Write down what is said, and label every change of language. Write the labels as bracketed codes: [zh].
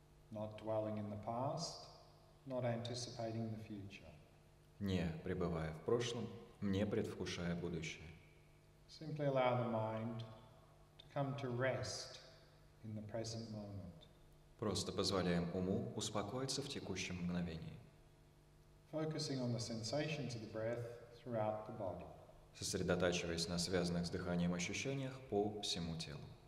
[en] Not dwelling in the past, not anticipating the future. [ru] Не пребывая в прошлом, не предвкушая будущее. [en] Simply allow the mind to come to rest in the present moment. [ru] Просто позволяем уму успокоиться в текущем мгновении. [en] Focusing on the sensations of the breath throughout the body. [ru] Сосредотачиваясь на связанных с дыханием ощущениях по всему телу.